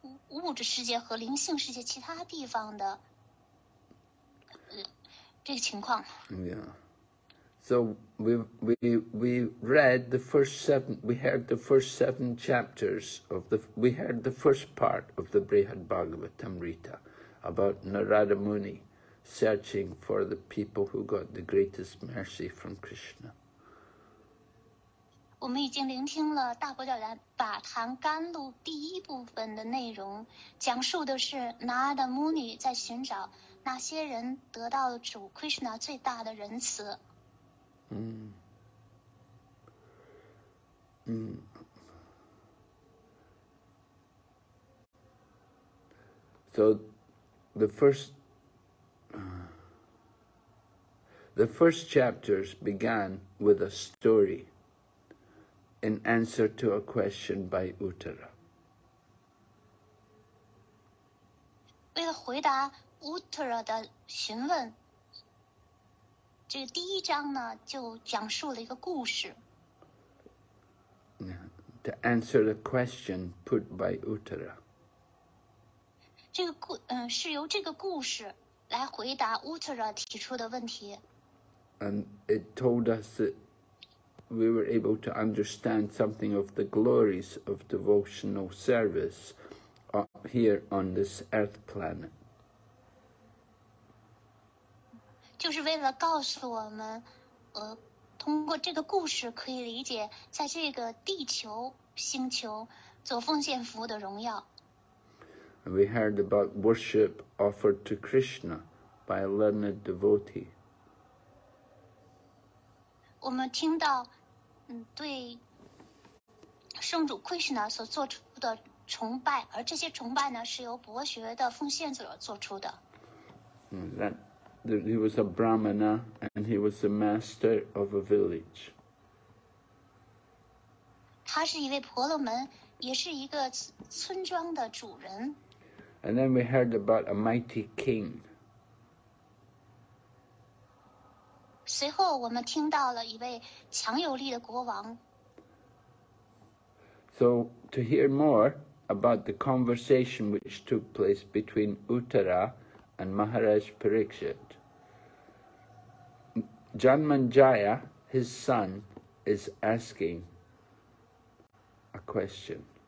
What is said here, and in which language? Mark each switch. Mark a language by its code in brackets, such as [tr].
[zh] 物质世界和灵性世界其他地方的这个情况。 [en] Yeah. So we heard the first part of the Brihad Bhagavatamrita about Narada Muni searching for the people who got the greatest mercy from Krishna. [zh] 我们已经聆听了大伯教兰把谈甘露第一部分的内容，讲述的是拿的母女在寻找那些人得到了主 Krishna 最大的仁慈。嗯，嗯，所以 [en] the first chapters began with a story. In answer to a question by Uttara. [zh] 为了回答 Uttara 的询问，这个第一章呢就讲述了一个故事。 [en] To answer the question put by Uttara. [zh] 这个是由这个故事来回答 Uttara 提出的问题。 [en] And it told us that. We were able to understand something of the glories of devotional service here on this earth planet. [zh] 就是为了告诉我们，通过这个故事可以理解，在这个地球星球做奉献服务的荣耀。 [en] We heard about worship offered to Krishna by a learned devotee. [zh] 我们听到。对圣主 Krishna 所做出的崇拜，而这些崇拜呢，是由博学的奉献者做出的。 [en] He was a Brahmana and he was the master of a village. [zh] 他是一位婆罗门，也是一个村庄的主人。 [en] And then we heard about a mighty king. [zh] 随后我们听到了一位强有力的国王。 [en] So, to hear more about the conversation which took place between Uttara and Maharaj Parikshit, Janmanjaya, his son, is asking a question.